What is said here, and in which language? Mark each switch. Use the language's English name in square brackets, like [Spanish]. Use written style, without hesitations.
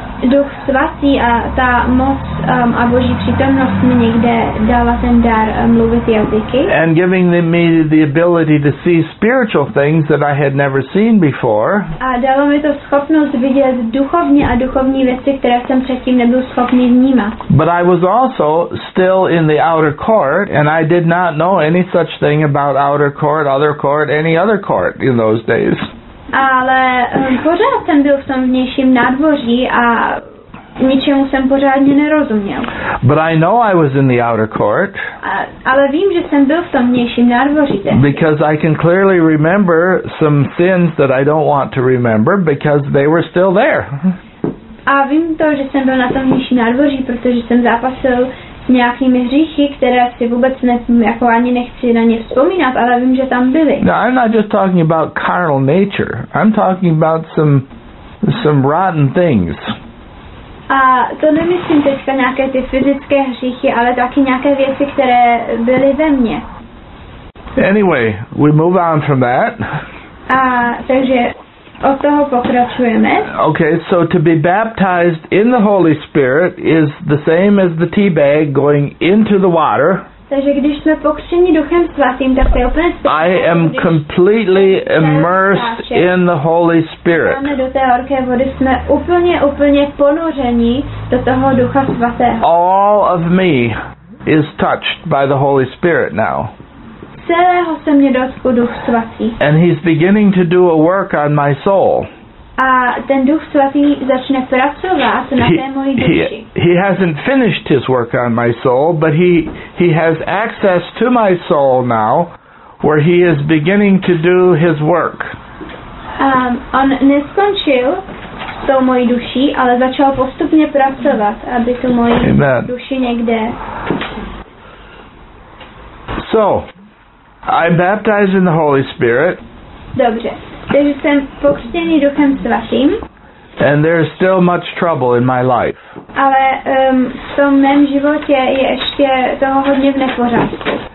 [Czech] Duch svatý a ta moc a Boží přítomnost mi někde dala ten dar mluvit jazyky. [English] And giving me the ability to see spiritual things that I had never seen before. [Czech] A dalo mi to schopnost vidět duchovní a duchovní věci, které jsem předtím nebyl schopný vnímat. [English] But I was also still in the outer court and I did not know any such thing about outer court, other court, any other court in those days. [Czech] Ale pořád jsem byl v tom vnějším nádvoří a ničemu jsem pořádně nerozuměl. [English] But I know I was in the outer court. [Czech] Ale vím, že jsem byl v tom vnějším nádvoří. [English] Because I can clearly remember some sins that I don't want to remember because they were still there. [Czech] A vím to, že jsem byl na tom vnějším nádvoří, protože jsem zápasil s nějaký hříchy, které si vůbec jako ani nechci na ně vzpomínat, ale vím, že tam byly. [English] No, I'm not just talking about carnal nature. I'm talking about some rotten things. [Czech] A to nemyslím teďka nějaké ty fyzické hříchy, ale taky nějaké věci, které byly ve mně. [English] Anyway, we move on from that. [Czech] A takže od toho pokračujeme. [English] Okay, so to be baptized in the Holy Spirit is the same as the tea bag going into the water. [Czech] Takže když jsme pokřtěni Duchem Svatým, tak to je úplně stejné. [English] I am completely immersed in the Holy Spirit. [Czech] Když jsme do té horké vody, jsme úplně ponoření do toho Ducha Svatého. [English] All of me is touched by the Holy Spirit now. [Czech] Celého se mě dotkl Duch Svatý. [English] And he's beginning to do a work on my soul. [Czech] A ten Duch Svatý začne pracovat na té mojí duši. [English] He hasn't finished his work on my soul, but he has access to my soul now, where he is beginning to do his work. [Czech] On neskončil s tou mojí duší, ale začal postupně pracovat, aby tu moji [English] Amen. [Czech] Duši někde. [English] So, I'm baptized in the Holy Spirit. [Czech] Dobře. Takže jsem pokřtěný Duchem Svatým. [English] And there is still much trouble in my life. [Czech] Ale v tom mém životě je ještě toho hodně v nepořádku.